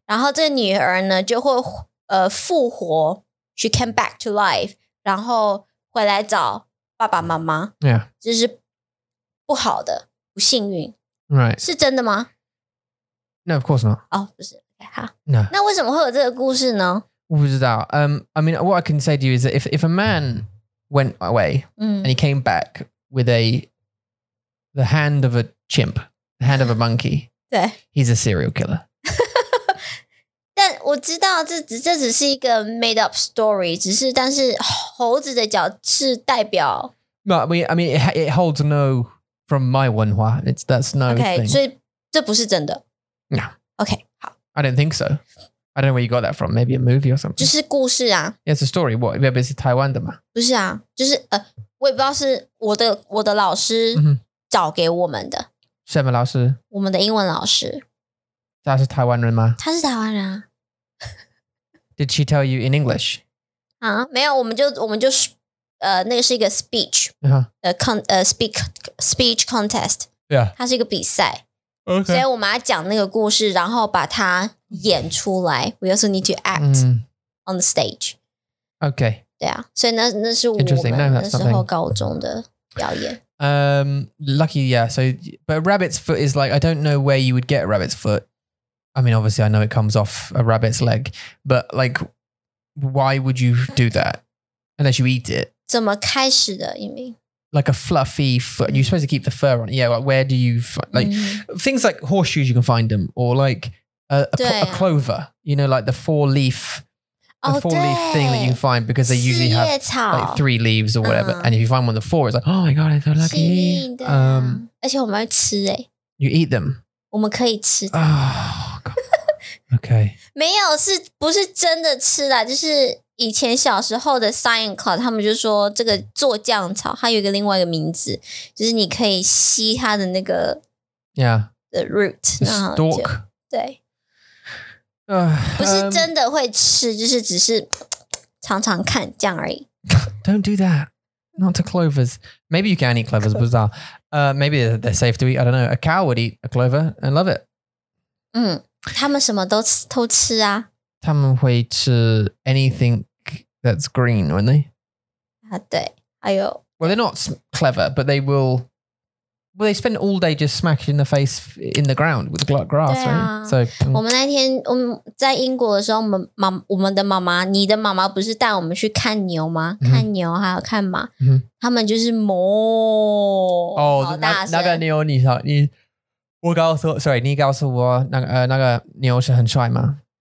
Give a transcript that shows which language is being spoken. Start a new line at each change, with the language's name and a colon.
Chinese: 然后这个女儿呢, 就会, 复活,
English: she came back to life,
Chinese: 然后回来找爸爸妈妈。
English: Yeah.
Chinese: 这是不好的, 不幸运。
English: Right.
Chinese: 是真的吗?
English: No, of course not.
Chinese: Oh, 不是, 好。
English: No.
Chinese: 那为什么会有这个故事呢? 我不知道。
English: I mean, what I can say to you is that if a man went away, and he came back with the hand of a chimp, the hand of a monkey,
Chinese: 对,
English: he's a serial killer.
Chinese: 但我知道这只是一个
English: made up story,
Chinese: 只是但是猴子的脚是代表...
English: No, I mean it holds no from my 文化.It's that's no okay, thing.
Chinese: Okay, 所以这不是真的? No. Okay, 好.
English: I don't think so. I don't know where you got that from. Maybe a movie or something.
Chinese: 就是故事啊。
English: Yeah, it's a story. What, maybe it's
Chinese: 台湾的吗? 不是啊, 就是, 我也不知道是我的老师找给我们的。什么老师？我们的英文老师。他是台湾人吗？他是台湾人啊。
English: Did she tell you in English?
Chinese: 啊，没有，我们就那个是一个 speech, speech contest.
English: Yeah.
Chinese: 它是一个比赛。
English: Okay.
Chinese: 所以我们要讲那个故事，然后把它演出来。
English: We also need to act on the stage. Okay.
Chinese: 对啊，所以那是我们那时候高中的表演。
English: Lucky, yeah. So, but a rabbit's foot is like, I don't know where you would get a rabbit's foot. I mean, obviously I know it comes off a rabbit's leg, but like, why would you do that? Unless you eat it.
Chinese: 怎么开始的,
English: you mean? Like a fluffy foot. You're supposed to keep the fur on it. Yeah, like where do you find, like, mm-hmm. things like horseshoes, you can find them, or like a clover, you know, like the four leaf thing that you can find because they usually have like three leaves or whatever. And if you find one of the four, it's like, oh my God, I'm so lucky.
Chinese: 是的。而且我们要吃耶。
English: You eat them.
Chinese: 我们可以吃。
English: Oh, God. Okay.
Chinese: 没有,是不是真的吃啦,就是以前小时候的 science class, 他们就说这个做酱草,它有一个另外一个名字,就是你可以吸它的那个
English: the root. The stalk.
Chinese: 对。不是真的会吃，就是只是常常看这样而已。
English: Don't do that. Not to clovers. Maybe you can eat clovers, bizarre. Maybe they're safe to eat. I don't know. A cow would eat a clover and love it.
Chinese: 他们什么都吃啊。他们会吃
English: anything that's green, wouldn't they?
Chinese: 啊，对，还有。
English: Well, they're not clever, but they will. Well, they spend all day just smacking in the face in the ground with grass, right?
Chinese: So, 我们那天我们在英国的时候，我们的妈妈，你的妈妈不是带我们去看牛吗？看牛还有看马，他们就是磨哦，那个牛你，我告诉 ，sorry， 你告诉我那个牛是很帅吗？